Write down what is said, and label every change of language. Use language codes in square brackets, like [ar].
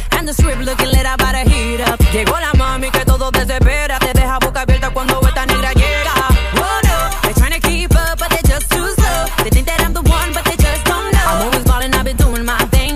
[en] And the strip looking lit, I about to heat up. [es] Llegó la mami que todo desespera. Te deja boca abierta cuando esta negra llega. [en] Oh no, they're trying to keep up, but they're just too slow. They think that I'm the one, but they just don't know. I'm always ballin', I've been doing my thing.